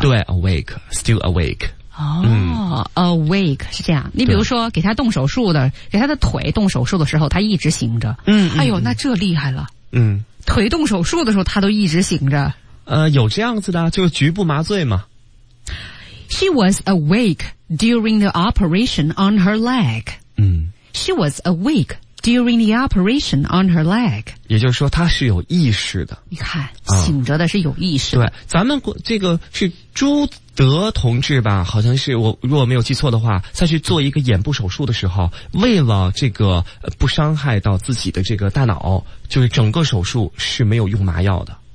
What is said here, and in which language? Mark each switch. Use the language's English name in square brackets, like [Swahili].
[English] 对 ，awake， still awake， [Chinese] 哦、awake 是这样。你比如说给他动手术的，给他的腿动手术的时候，他一直醒着，哎呦，那这厉害了，腿动手术的时候他都一直醒着，有这样子的，就是局部麻醉嘛。 [English] She was awake during the operation on her leg. She was awake during the operation on her leg. [Chinese] 也就是说她是有意识的。你看醒着的是有意识的。对，咱们这个是朱德同志吧，好像是，我如果没有记错的话，在去做一个眼部手术的时候，为了这个不伤害到自己的这个大脑，就是整个手术是没有用麻药的。